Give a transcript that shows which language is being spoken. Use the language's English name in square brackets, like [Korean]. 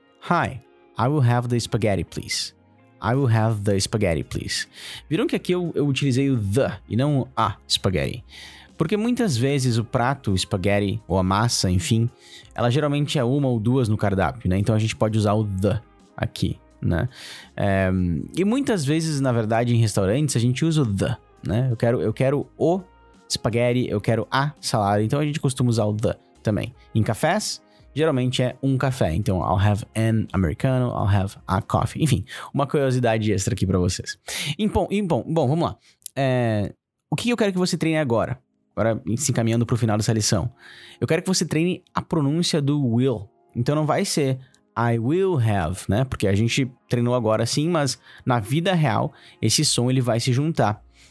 [English] Hi, I will have the spaghetti, please. I will have the spaghetti, please. [Portuguese] Viram que aqui eu utilizei o the e não a spaghetti. Porque muitas vezes o prato, o spaghetti ou a massa, enfim, ela geralmente é uma ou duas no cardápio, né? Então a gente pode usar o the aqui, né? E muitas vezes, na verdade, em restaurantes, a gente usa o the, né? Eu quero o spaghetti, eu quero a salada, então a gente costuma usar o the também. Em cafés, geralmente é um café. [English] Então, I'll have an americano, I'll have a coffee. [Portuguese] Enfim, uma curiosidade extra aqui pra vocês. Bom, vamos lá. O que eu quero que você treine agora? Agora, se encaminhando pro final dessa lição. Eu quero que você treine a pronúncia do will. Então, não vai ser [English] I will have, [Portuguese] né? Porque a gente treinou agora sim, mas na vida real, esse som ele vai se juntar.